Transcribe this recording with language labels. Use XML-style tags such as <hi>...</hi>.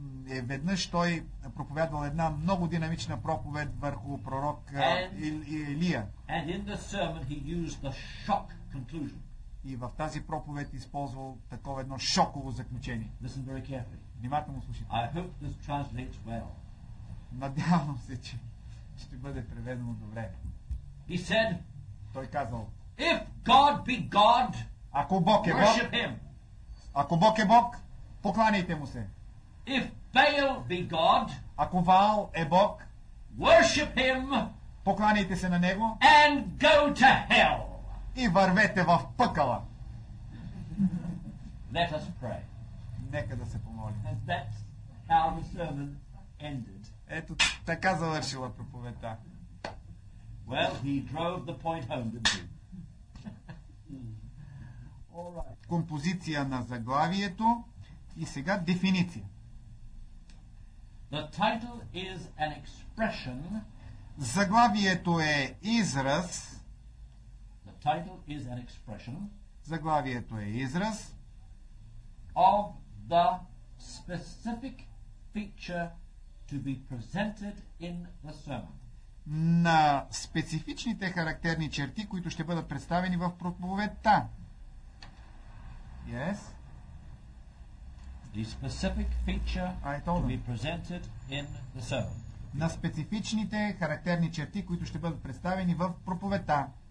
<bg>Е веднъж той проповядвал една много динамична проповед върху пророк Илия.</bg> <en>And in the sermon he used the shock conclusion.</en> <bg>И в тази проповед използвал такова едно шоково заключение.</bg> <en>Listen very carefully.</en> <bg>Внимателно слушайте.</bg> <en>I hope this translates well.</en> <bg>Надявам се, че ще бъде преведено добре.</bg> <en>He said,</en> <bg>той казал,</bg> <en>if God be God,</en> <bg>ако Бог е Бог,</bg> <en>worship him.</en> <bg>Ако Бог е Бог, покланяйте му се.</bg> <en>If Baal be God,</en> <bg>ако Ваал е Бог,</bg> <en>worship him,</en> <bg>покланяйте се на него,</bg> <en>and go to hell.</en> <bg>И вървете в пъкала.</bg> <en>Let us pray.</en> <bg>Нека да се помолим.</bg> <en>And that's how the sermon ended.</en> <bg>Ето така завършила проповедта.</bg> <en>Well, he drove the point home, didn't he? All right.</en> <bg>Композиция на заглавието и сега дефиниция.</bg> <en>The title is an expression.</en> <bg>Заглавието е израз.</bg> <en>The title is an expression.</en> <bg>Заглавието е израз.</bg> <en>Of the specific feature to be presented in the sermon.</en> <bg>На специфичните характерни черти, които ще бъдат представени в проповедта.</bg> <en>Yes. The specific feature to be presented in the sermon.</en> <bg>На специфичните характерни черти, които ще бъдат представени в проповедта.</bg>